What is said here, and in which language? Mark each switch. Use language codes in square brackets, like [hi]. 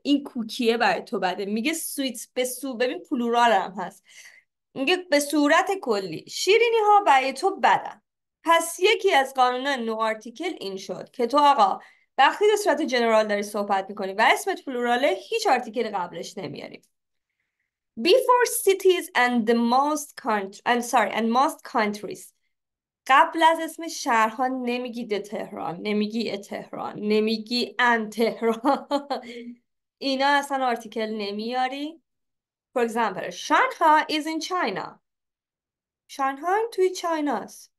[fa] این کوکیه برای تو بده. میگه sweet به صورت ببین پلورال هم هست. میگه به صورت کلی. شیرینی ها برای تو بدن. پس یکی از قانون نو آرتیکل این شد. که تو آقا وقتی به صورت جنرال داری صحبت میکنی و اسمت پلوراله هیچ آرتیکل قبلش نمیاری. [en] Before cities and the most countries. I'm sorry and most countries. [fa] قبل از اسم شهرها نمیگی ده تهران، نمیگی تهران، نمیگی ان تهران. اینا اصلا آرتیکل نمیاری. [en] For example, Shanghai is in China. Shanghai [fa] توی چایناست.